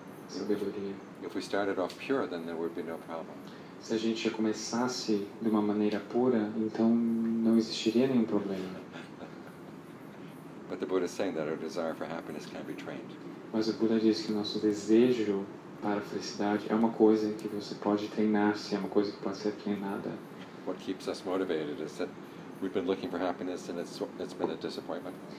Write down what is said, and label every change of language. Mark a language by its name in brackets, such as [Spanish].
[English] If we started off pure, then there would be no problem. [Portuguese] Se a gente começasse de uma maneira pura, então não existiria nenhum problema. [English] But the Buddha is saying that our desire for happiness can be trained. [Portuguese] Mas o Buda diz que nosso desejo para a felicidade é uma coisa que você pode treinar, se é uma coisa que pode ser treinada. [English] What keeps us motivated is that we've been looking for happiness and it's been a disappointment.